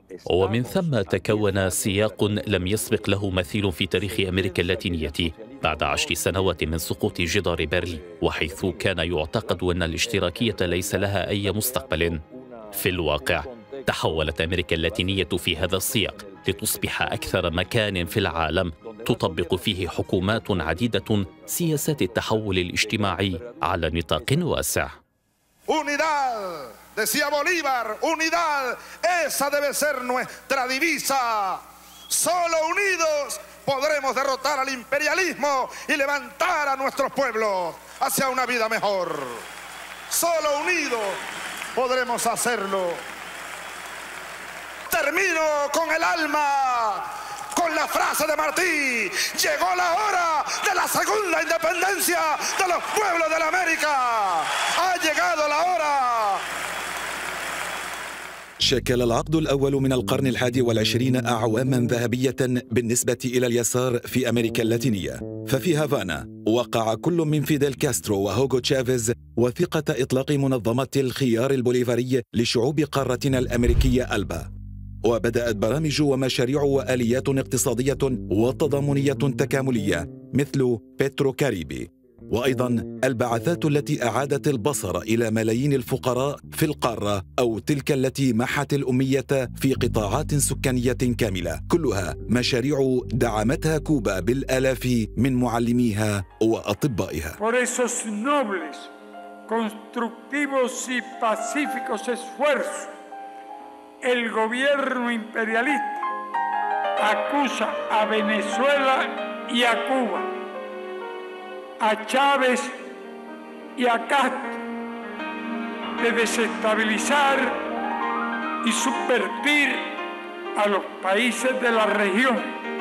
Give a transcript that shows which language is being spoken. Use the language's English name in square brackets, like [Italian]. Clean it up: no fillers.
[Arabic] ومن ثم تكون سياق لم يسبق له مثيل في تاريخ أمريكا اللاتينية بعد 10 سنوات من سقوط جدار برلين، وحيث كان يعتقد أن الاشتراكية ليس لها أي مستقبل. في الواقع تحولت أمريكا اللاتينية في هذا السياق لتصبح أكثر مكان في العالم تطبق فيه حكومات عديدة سياسات التحول الاجتماعي على نطاق واسع. [Spanish] Decía Bolívar, unidad, esa debe ser nuestra divisa. Solo unidos podremos derrotar al imperialismo y levantar a nuestros pueblos hacia una vida mejor. Solo unidos podremos hacerlo. Termino con el alma, con la frase de Martí. Llegó la hora de la segunda independencia de los pueblos de la América. Ha llegado la hora. [Arabic] شكل العقد الأول من القرن 21 أعواماً ذهبية بالنسبة إلى اليسار في أمريكا اللاتينية. ففي هافانا وقع كل من فيديل كاسترو وهوغو تشافيز وثيقة إطلاق منظمة الخيار البوليفاري لشعوب قارتنا الأمريكية ألبا. وبدأت برامج ومشاريع وآليات اقتصادية وتضامنية تكاملية مثل بيترو كاريبي، وأيضا البعثات التي أعادت البصر إلى ملايين الفقراء في القارة أو تلك التي محت الأمية في قطاعات سكانية كاملة، كلها مشاريع دعمتها كوبا بالآلاف من معلميها وأطبائها. [Spanish] Por esos nobles, constructivos y pacíficos esfuerzos, el gobierno imperialista acusa a Venezuela y a Cuba, a Chávez y a Castro de desestabilizar y subvertir a los países de la región.